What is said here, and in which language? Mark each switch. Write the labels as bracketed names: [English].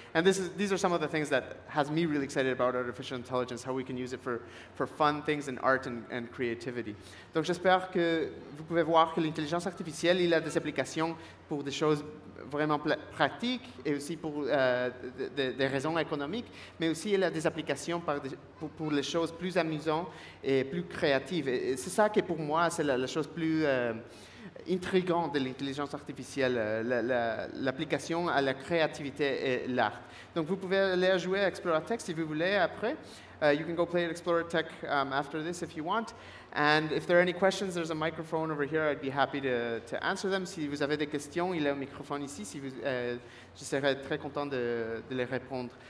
[English] And these are some of the things that has me really excited about artificial intelligence, how we can use it for fun things in art and creativity. [French] Donc j'espère que vous pouvez voir que l'intelligence artificielle, il a des applications pour des choses vraiment pratiques et aussi pour des raisons économiques, mais aussi il a des applications pour les choses plus amusantes et plus créatives. Et c'est ça qui, pour moi, c'est la chose plus intrigant de l'intelligence artificielle, l'application à la créativité et l'art. Donc vous pouvez aller jouer à Exploratech si vous voulez après. [English] You can go play at Explorer Tech after this if you want. And if there are any questions, there's a microphone over here. I'd be happy to answer them. [French] Si vous avez des questions, il y a un microphone ici. Si vous, je serais très content de les répondre.